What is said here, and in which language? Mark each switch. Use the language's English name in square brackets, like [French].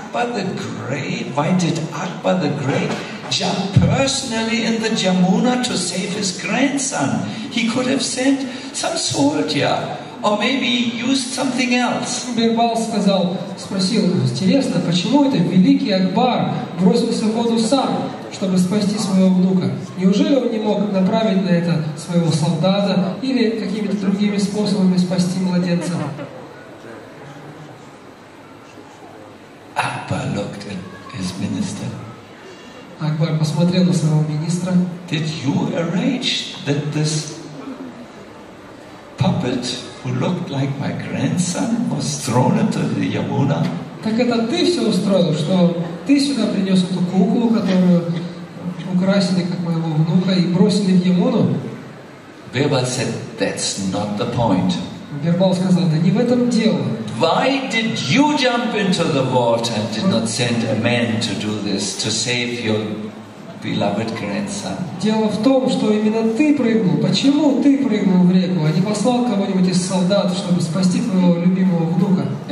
[English] Why did Akbar the Great jump personally in the Yamuna to save his grandson? He could have sent some soldier, or maybe used something else. [Russian] Бирбал сказал, спросил: интересно, почему это великий Акбар бросился в воду сам, чтобы спасти своего внука? Неужели он не мог направить на это своего солдата или какими-то другими способами спасти младенца? [English] Akbar looked at his minister. [Russian] Акбар посмотрел на своего министра. [English] Did you arrange that this puppet who looked like my grandson was thrown into the Yamuna? [Russian] Так это ты все устроил, что ты сюда принес эту куклу, которую украсили как моего внука и бросили в Ямуну? [English] Бирбал said, that's not the point. [Russian] Бирбал сказал, да не в этом дело. [English] Why did you jump into the water and did not send a man to do this to save your beloved grandson? [Russian] Дело в том, что именно ты прыгнул. Почему ты прыгнул в реку, а не послал кого-нибудь из солдат, чтобы спасти твоего любимого внука?